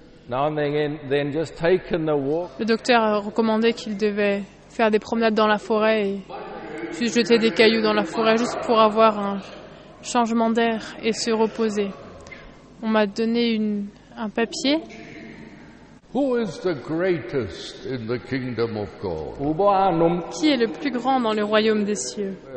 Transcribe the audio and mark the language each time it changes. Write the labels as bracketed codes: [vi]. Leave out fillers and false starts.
[fr] Le docteur a recommandé qu'il devait faire des promenades dans la forêt et jeter des cailloux dans la forêt juste pour avoir un changement d'air et se reposer. On m'a donné un papier. [en] Who is the greatest in the kingdom of God? [fr] Qui est le plus grand dans le royaume des cieux?